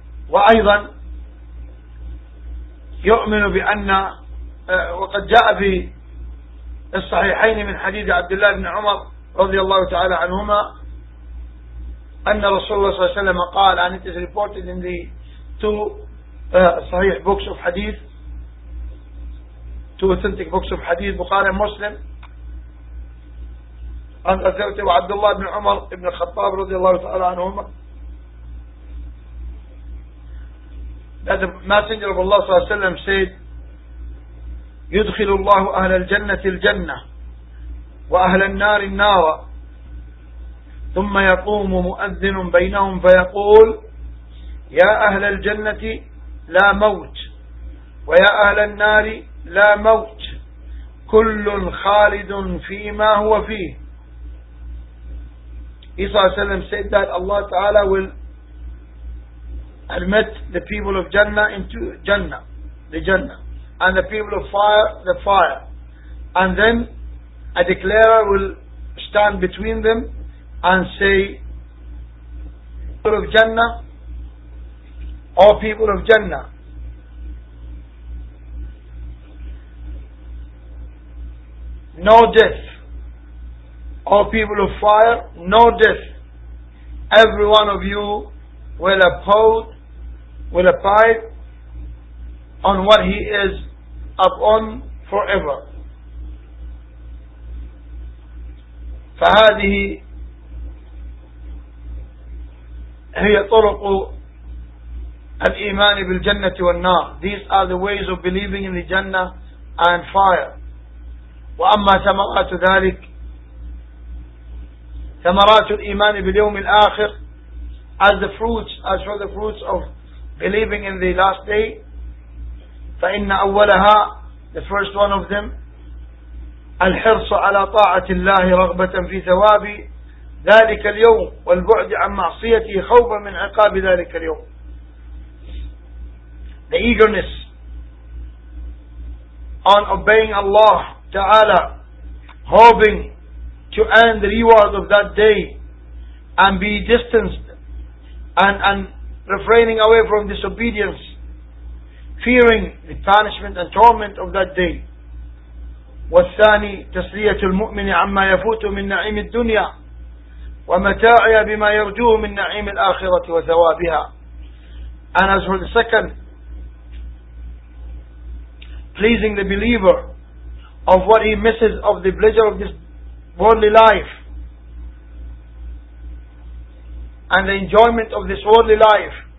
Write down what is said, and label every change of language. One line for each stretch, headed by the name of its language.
Arabic: وأيضا يؤمن بأن وقد جاء في الصحيحين من حديث عبد الله بن عمر رضي الله تعالى عنهما أن رسول الله صلى الله عليه وسلم قال,
English: and it is reported in the two صحيح books of hadith, two authentic books of hadith, Bukhari and Muslim, and Hazrat Abdullah ibn Umar ibn al-Khattab radiallahu ta'ala anhuma, that the Messenger of Allah sallallahu alayhi wa sallam said,
Arabic: يدخل الله أهل الجنة الجنة وأهل النار النار. ثم يقوم مؤذن بينهم فيقول: يا أهل الجنة لا موت، ويا أهل النار لا موت، كل خالد فيما هو فيه.
English: عيسى صلى الله عليه وسلم said that Allah Ta'ala will admit the people of Jannah into Jannah, the Jannah, and the people of fire, the fire, and then a declarer will stand between them and say, people of Jannah, all people of Jannah, no death. All people of fire, no death. Every one of you will uphold, will abide on what he is upon forever.
Arabic: فهذه هي طرق الإيمان بالجنة والنار.
English: These are the ways of believing in the Jannah and fire.
Arabic: وأما ثمرات ذلك، ثمرات الإيمان باليوم الآخر،
English: as the fruits, as for the fruits of believing in the last day.
Arabic: فإن أولها،
English: the first one of them،
Arabic: الحرص على طاعة الله رغبة في ثواب ذلك اليوم والبعد عن معصيته خوفا من عقاب ذلك اليوم.
English: The eagerness on obeying Allah Ta'ala, hoping to earn the reward of that day and be distanced and refraining away from disobedience, fearing the punishment and torment of that day.
Arabic: والثاني تسلية المؤمن عما يفوت من نعيم الدنيا ومتاعيا بما يرجوه من نعيم الآخرة وثوابها.
English: And as for the second, pleasing the believer of what he misses of the pleasure of this worldly life and the enjoyment of this worldly life.